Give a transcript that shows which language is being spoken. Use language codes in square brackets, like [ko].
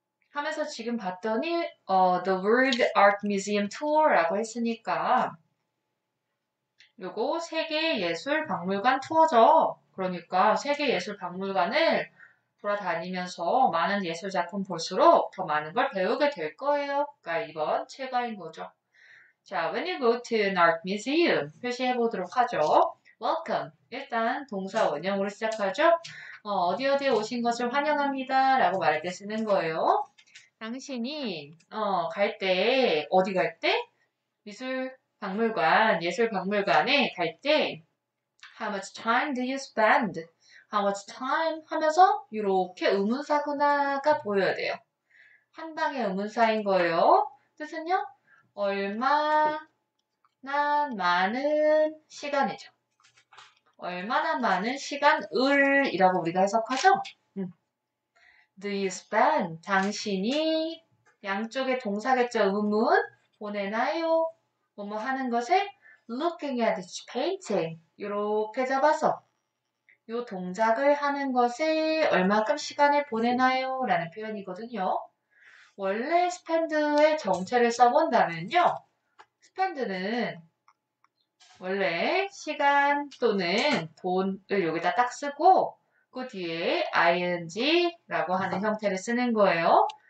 [ko] 하면서 지금 봤더니 [en] The World Art Museum Tour [ko] 라고 했으니까 요거 세계예술박물관 투어죠. 그러니까 세계예술박물관을 돌아다니면서 많은 예술 작품 볼수록 더 많은 걸 배우게 될 거예요. 그러니까 이번 체과인 거죠. [en] 자, when you go to an art museum [ko] 표시해 보도록 하죠. [en] Welcome. [ko] 일단 동사 원형으로 시작하죠. 어디 어디에 오신 것을 환영합니다라고 말할 때 쓰는 거예요. 당신이 갈때 어디 갈 때? 미술 박물관, 예술 박물관에 갈때 [en] How much time do you spend? How much time? [ko] 하면서 이렇게 의문사구나가 보여야 돼요. 한 방에 의문사인 거예요. 뜻은요? 얼마나 많은 시간이죠. 얼마나 많은 시간을 이라고 우리가 해석하죠? [en] Do you spend? [ko] 당신이 양쪽에 동사겠죠? 의문? 보내나요? 뭐뭐 하는 것에 [en] looking at each painting. [ko] 이렇게 잡아서 요 동작을 하는 것에 얼마큼 시간을 보내나요? 라는 표현이거든요. 원래 spend의 정체를 써본다면요. spend는 원래 시간 또는 돈을 여기다 딱 쓰고 그 뒤에 ing라고 하는 형태를 쓰는 거예요.